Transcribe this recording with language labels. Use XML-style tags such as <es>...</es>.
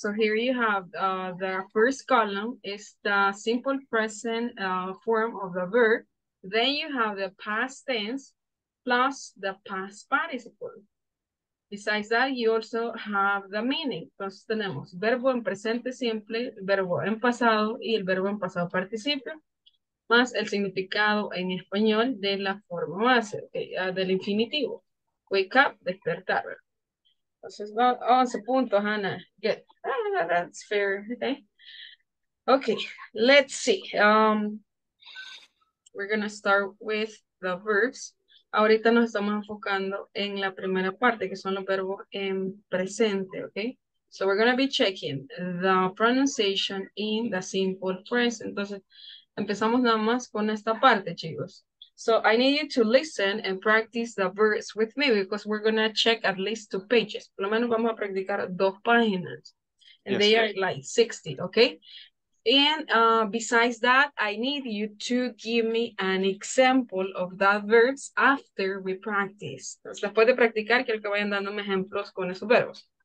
<en>So here you have the first column is the simple present form of the verb. Then you have the past tense plus the past participle. Besides that, you also have the meaning.</en> <es>Entonces tenemos verbo en presente simple, verbo en pasado y el verbo en pasado participio, más el significado en español de la forma base, del infinitivo. Wake up, despertar. Entonces, 11 puntos, Ana. Good.</es> <en>Ah, that's fair. Okay, let's see. We're going to start with the verbs.</en> <es>Ahorita nos estamos enfocando en la primera parte, que son los verbos en presente, okay?</es> <en>So we're going to be checking the pronunciation in the simple present.</en> <es>Entonces, empezamos nada más con esta parte, chicos.</es> <en>So I need you to listen and practice the verbs with me because we're going to check at least 2 pages.</en> <es>Por lo menos vamos a practicar 2 páginas.</es> <en>And yes, they are like 60, okay? And besides that, I need you to give me an example of that verbs after we practice.</en> <es>Entonces, después de practicar, quiero que vayan dándome ejemplos con esos verbos.</es>